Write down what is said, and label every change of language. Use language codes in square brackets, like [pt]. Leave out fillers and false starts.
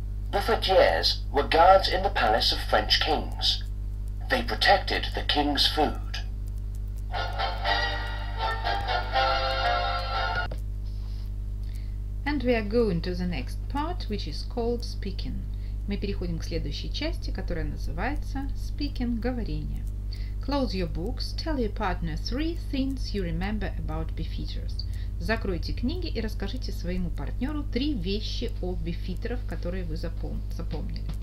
[en] Bouffetiers were guards in the palace of French kings. They protected the king's food. And we are going to the next part, which is called speaking. [ru] Мы переходим к следующей части, которая называется speaking, говорение. [en] Close your books, tell your partner three things you remember about beefeaters. [ru] Закройте книги и расскажите своему партнеру три вещи о бифитерах, которые вы запомнили.